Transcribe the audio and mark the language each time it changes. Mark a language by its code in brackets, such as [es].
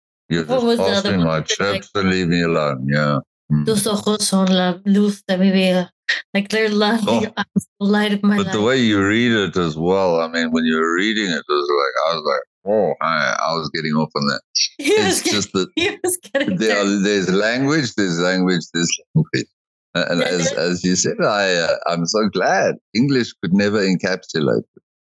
[en] You're just passing my chips and leave me alone. Yeah. [es] Tus ojos son la luz de mi vida. [en] Like they're light, the light of my life. But the way you read it as well, I mean, when you're reading it, it's like, I was like, I was getting off on that. There's language, there's language, there's language. And as you said, I'm so glad English could never encapsulate it.